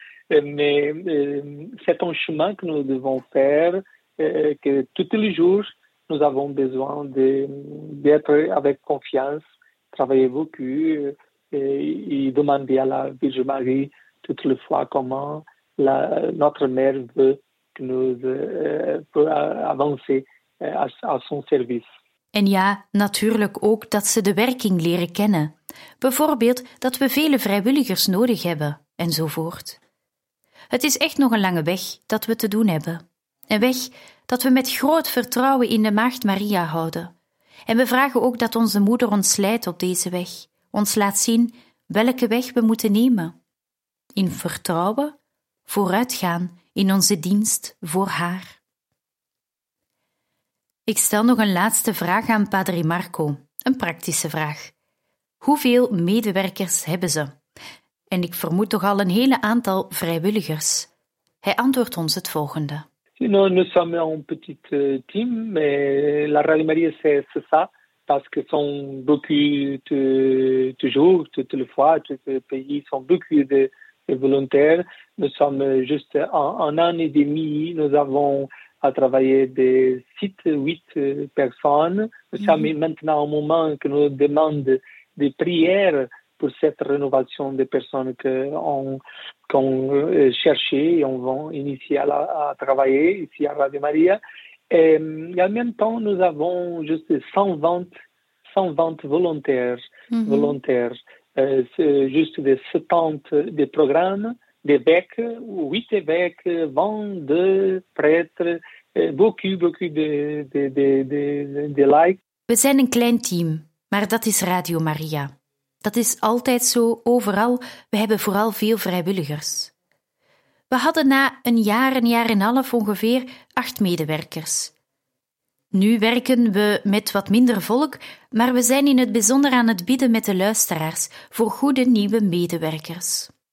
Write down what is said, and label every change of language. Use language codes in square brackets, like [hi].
[fr] Mais c'est un chemin que nous devons faire, que tous les jours, nous avons besoin d'être avec confiance, travailler beaucoup et demander à la Vierge Marie toutes les fois comment notre mère veut que nous avancer à son service. [nl] En ja, natuurlijk ook dat ze de werking leren kennen. Bijvoorbeeld dat we vele vrijwilligers nodig hebben, enzovoort. Het is echt nog een lange weg dat we te doen hebben. Een weg dat we met groot vertrouwen in de Maagd Maria houden. En we vragen ook dat onze moeder ons leidt op deze weg, ons laat zien welke weg we moeten nemen. In vertrouwen, vooruitgaan in onze dienst voor haar. Ik stel nog een laatste vraag aan Padre Marco, een praktische vraag. Hoeveel medewerkers hebben ze? En ik vermoed toch al een hele aantal vrijwilligers. Hij antwoordt ons het volgende. [fr] Nous sommes un petit team, mais la Radio Maria, c'est ça, parce que sont beaucoup toujours, toutes les fois, tous les pays sont beaucoup de volontaires. Nous sommes juste en un an et demi, nous avons à travailler des 6-8 personnes. Nous sommes maintenant au moment que nous demandons des prières pour cette rénovation des personnes qu'on cherchait et on va initier à travailler ici à Radio Maria. Et en même temps, nous avons juste 120 volontaires. Mm-hmm. Volontaires. C'est juste des 70 des programmes, d'évêques, 8 évêques, 22 prêtres, beaucoup de likes. [nl] We zijn een klein team, maar dat is Radio Maria. Dat is altijd zo, overal. We hebben vooral veel vrijwilligers. We hadden na een jaar en een half ongeveer 8 medewerkers. Nu werken we met wat minder volk, maar we zijn in het bijzonder aan het bidden met de luisteraars voor goede nieuwe medewerkers.